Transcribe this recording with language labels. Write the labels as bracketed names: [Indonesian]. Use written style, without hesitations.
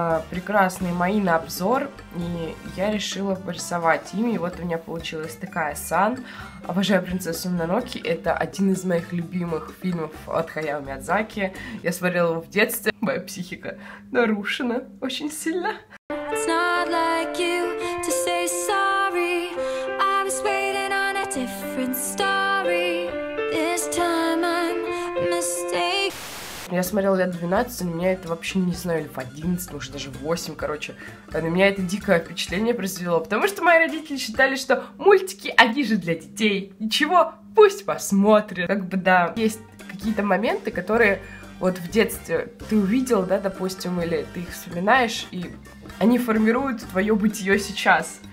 [Russian] Прекрасные мои на обзор. И я решила порисовать ими. И вот у меня получилась такая Сан. Обожаю «Принцессу Мононоке». Это один из моих любимых фильмов от Хаяо Миядзаки. Я смотрела его в детстве. Моя психика нарушена очень сильно. [English] It's not like you to say sorry. I was waiting on a different story. This time I'm mistaken. [Russian] Я смотрела лет 12, но меня это вообще, не знаю, или в 11, может, даже в 8, короче. На меня это дикое впечатление произвело, потому что мои родители считали, что мультики, они же для детей. Ничего, пусть посмотрят. Как бы, да, есть какие-то моменты, которые вот в детстве ты увидел, да, допустим, или ты их вспоминаешь, и они формируют твое бытие сейчас.